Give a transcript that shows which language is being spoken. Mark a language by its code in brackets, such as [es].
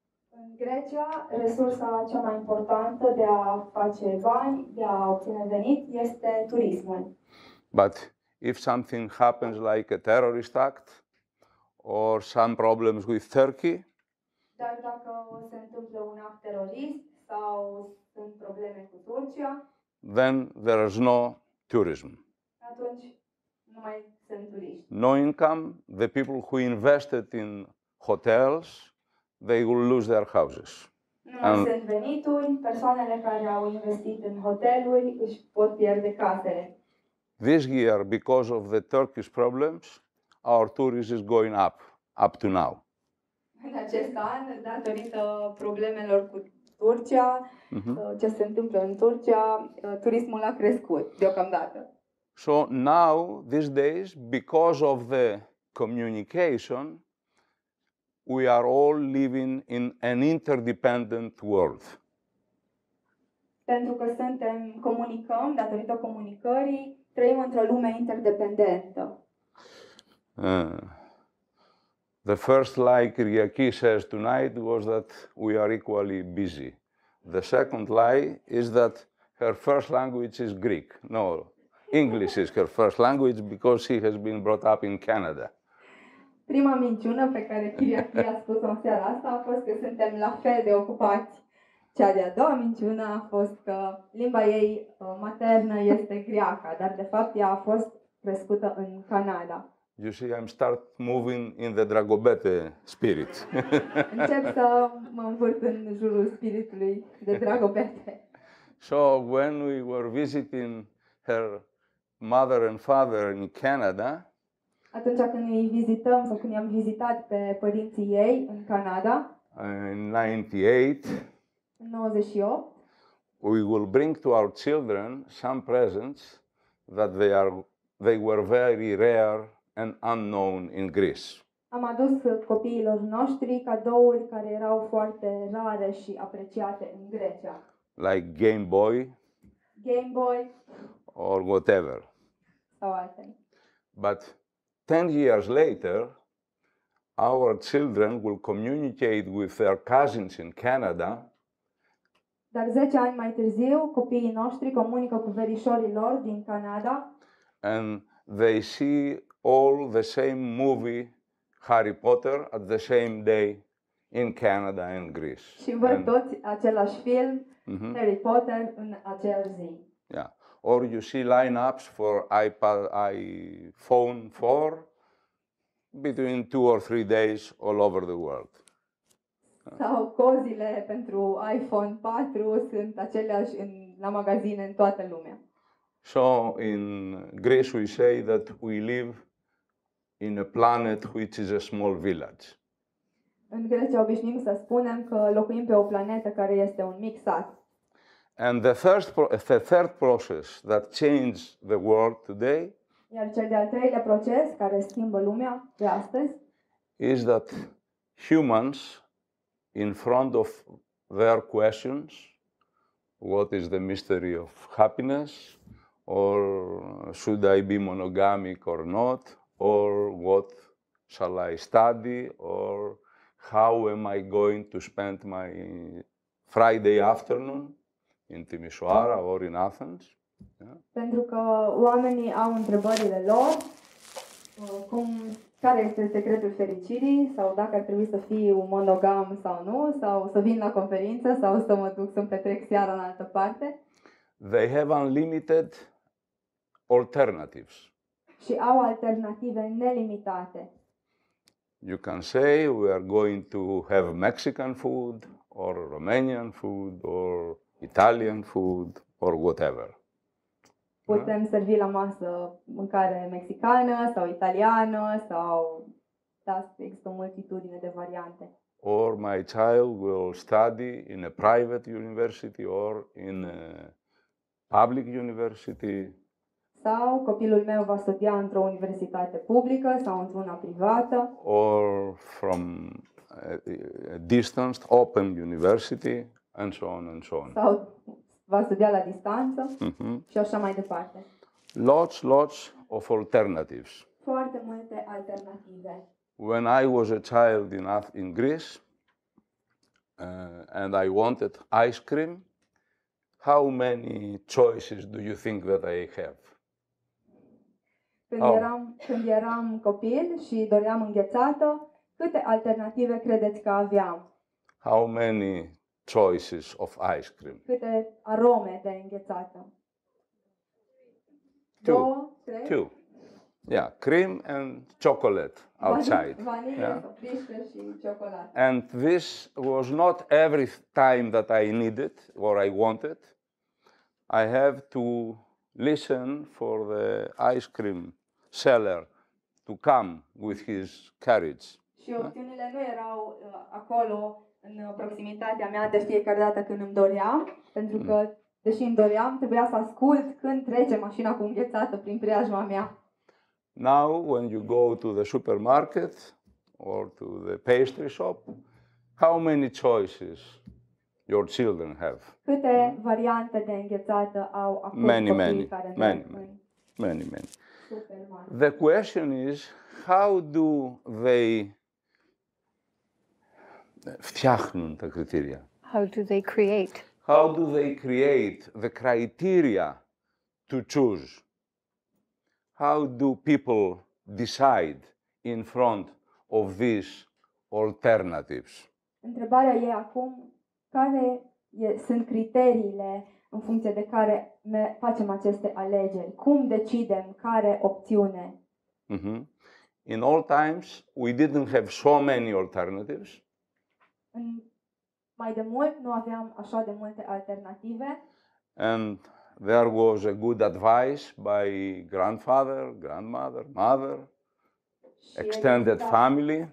[ro] În Grecia, resursa cea mai importantă de a face bani, de a obține venit, este turismul. [en] But if something happens like a terrorist act or some problems with Turkey, [ro] dar dacă se întâmplă un act terorist sau sunt probleme cu Turcia, [en] then there is no tourism. [ro] Atunci nu mai sunt turiști. [en] No income, the people who invested in hotels, they will lose their houses. [ro] Nu sunt venituri, persoanele care au investit în hoteluri își pot pierde casele. [en] This year, because of the Turkish problems, our tourism is going up to now. [ro] În acest an, datorită problemelor cu Turcia, ce se întâmplă în Turcia, turismul a crescut deocamdată. [en] So now, these days, because of the communication, we are all living in an interdependent world. [ro] Pentru că suntem comunicăm, datorită comunicării, trăim într-o lume interdependentă. [en] The first lie Kyriaki says tonight was that we are equally busy. The second lie is that her first language is Greek. No, English is her first language because she has been brought up in Canada. [ro] Prima minciună pe care Kyriaki a spus-o în seara asta a fost că suntem la fel de ocupați. Cea de-a doua minciună a fost că limba ei maternă este greacă, dar de fapt ea a fost crescută în Canada. [en] You see, I'm start moving in the Dragobete spirit. [ro] Încep să mă învârt în jurul spiritului de Dragobete. [en] So when we were visiting her mother and father in Canada, [ro] atunci când îi vizităm sau când i-am vizitat pe părinții ei în Canada, [en] in 98, we will bring to our children some presents that they were very rare and unknown in Greece. [ro] Am adus copiilor noștri cadouri care erau foarte rare și apreciate în Grecia. [en] Like Game Boy. Game Boy. Or whatever. [ro] Sau altfel. [en] But 10 years later, our children will communicate with their cousins in Canada. [ro] Dar 10 ani mai târziu, copiii noștri comunică cu verișorii lor din Canada. [en] And they see all the same movie, Harry Potter, at the same day in Canada and Greece. [ro] Și văd tot același film, Harry Potter, în acel zi. Yeah. [en] Or you see lineups for iPad, iPhone 4 between 2 or 3 days all over the world. [ro] Sau cozile pentru iPhone 4 sunt aceleași în, la magazine în toată lumea. [en] So in Greece we say that we live in a planet which is a small village. [ro] În Grecia obișnim să spunem că locuim pe o planetă care este un mic sat. [en] And the third process that changed the world today, [ro] iar cel de-al treilea proces care schimbă lumea de astăzi, [en] is that humans, in front of their questions, what is the mystery of happiness, or should I be monogamic or not, or what shall I study, or how am I going to spend my Friday afternoon in Timișoara or in Athens? [ro] Pentru că oamenii au întrebările lor, cum, care este secretul fericirii sau dacă ar trebui să fie un monogam sau nu, sau să vin la conferință sau să mă duc să-mi petrec seara în altă parte. [en] They have unlimited alternatives. [ro] Și au alternative nelimitate. [en] You can say we are going to have Mexican food or Romanian food or Italian food or whatever. [ro] Putem servi la masă mâncare mexicană sau italiană sau da, există o multitudine de variante. [en] Or my child will study in a private university or in a public university. [ro] Sau copilul meu va studia într-o universitate publică sau într-una privată. [en] Or from a distanced open university and so on and so on. [ro] Sau va studia la distanță și așa mai departe. [en] Lots of alternatives. [ro] Foarte multe alternative. [en] When I was a child in Greece and I wanted ice cream, how many choices do you think that I have? [ro] Când eram copil și doream înghețată, câte alternative credeți că aveam? [en] How many choices of ice cream? [ro] Câte arome de înghețată? [en] Two. [ro] Două, trei? [en] Two. Yeah, cream and chocolate outside. Vanille, yeah. Chocolate. And this was not every time that I needed or I wanted. I have to listen for the ice cream seller to come with his carriage. [ro] Și opțiunile nu erau acolo în proximitatea mea de fiecare dată când îmi doream, pentru că deși îmi doream, trebuia să ascult când trece mașina cu înghețată prin preajma mea. [en] Now, when you go to the supermarket or to the pastry shop, how many choices your children have? [ro] Câte variante de înghețată au acum copiii care [en] Many. The question is, how do they [el] φτιάχνουν τα κριτήρια? [en] How do they create? How do they create the criteria to choose? How do people decide in front of these alternatives? [ro] Întrebarea e acum, care sunt criteriile în funcție de care facem aceste alegeri? Cum decidem care opțiune? Mm-hmm. [en] In all times, we didn't have so many alternatives. [ro] Mai de mult, nu aveam așa de multe alternative. [en] And there was a good advice by grandfather, grandmother, mother, extended family.